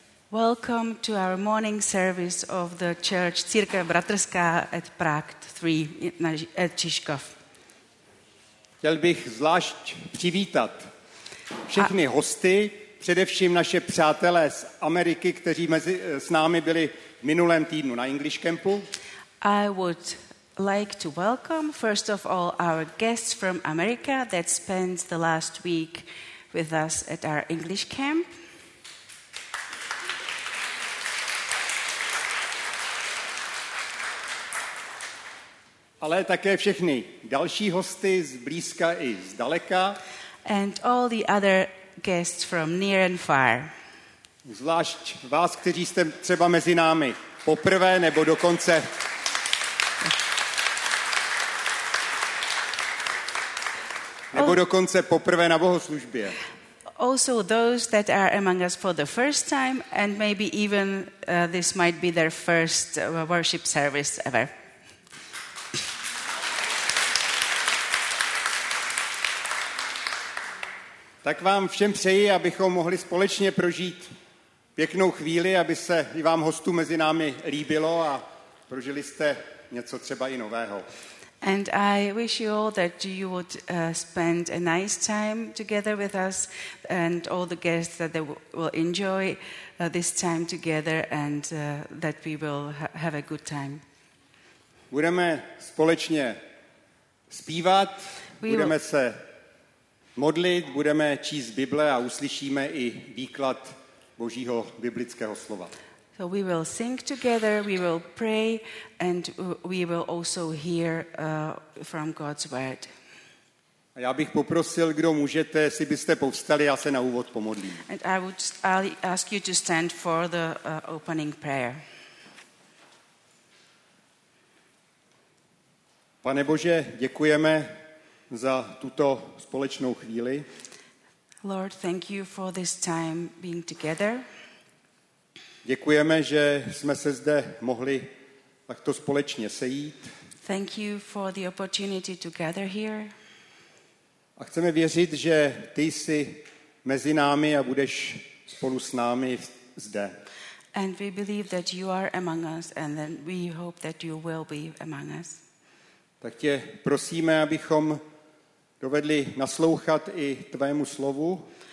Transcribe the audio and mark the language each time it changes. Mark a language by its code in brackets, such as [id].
[en] Welcome to our morning service of the church Církve bratrská at Prague 3 at Žižkov. [cs] Chtěl bych zvlášť přivítat všechny hosty, především naše přátelé z Ameriky, kteří mezi s námi byli v minulém týdnu na English Campu. [en] I would like to welcome first of all our guests from America that spent the last week with us at our English camp. [cs] Ale také všechny další hosty z blízka i z daleka. [en] And all the other guests from near and far. [cs] Zvlášť vás, kteří jste třeba mezi námi poprvé nebo dokonce. Nebo dokonce poprvé na bohoslužbě. [en] Also those that are among us for the first time and maybe even this might be their first worship service ever. [cs] Tak vám všem přeji, abychom mohli společně prožít pěknou chvíli, aby se i vám hostů mezi námi líbilo a prožili jste něco třeba i nového. [en] And I wish you all that you would spend a nice time together with us and all the guests that they will enjoy this time together and that we will have a good time. [cs] Budeme společně zpívat, budeme se modlit, budeme číst Bible a uslyšíme i výklad Božího biblického slova. [en] So we will sing together, we will pray, and we will also hear from God's word. [cs] A já bych poprosil, kdo můžete, jestli byste povstali, já se na úvod pomodlím. [en] And I would ask you to stand for the opening prayer. [cs] Pane Bože, děkujeme za tuto společnou chvíli. [en] Lord, thank you for this time being together. [cs] Děkujeme, že jsme se zde mohli takto společně sejít. [en] Thank you for the opportunity to gather here. [cs] A chceme věřit, že ty jsi mezi námi a budeš spolu s námi zde. [en] And we believe that you are among us and then we hope that you will be among us. [cs] Tak tě prosíme, abychom dovedli naslouchat i tvému slovu.